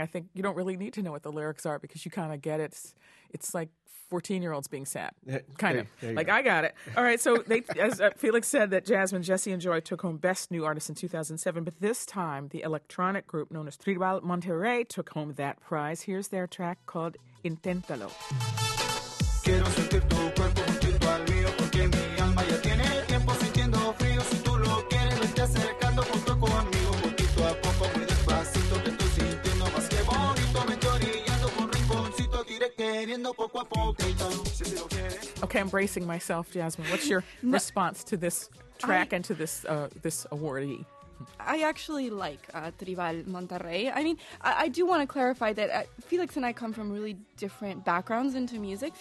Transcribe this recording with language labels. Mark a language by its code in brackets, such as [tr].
[en] I think you don't really need to know what the lyrics are because you kind of get it. It's like 14-year-olds being sad, kind of. There you go. I got it. All right, so they, as Felix said, that Jasmine, Jesse, and Joy took home Best New Artist in 2007, but this time the electronic group known as Tribal Monterrey took home that prize. Here's their track called Inténtalo. [es] Quiero sentir tu cuerpo junto al mío porque mi alma ya tiene el tiempo sintiendo frío. Si tú lo quieres, vete acercando junto conmigo. Poquito a poco, muy despacito, te estoy sintiendo más que bonito. Me estoy orillando con rinconcito, tiré queriendo poco a poquito. Si te lo quieres. [en] Okay, I'm bracing myself, Jasmine. What's your response to this track and to this awardee? I actually like Tribal Monterrey. I mean, I do want to clarify that Felix and I come from really different backgrounds into music.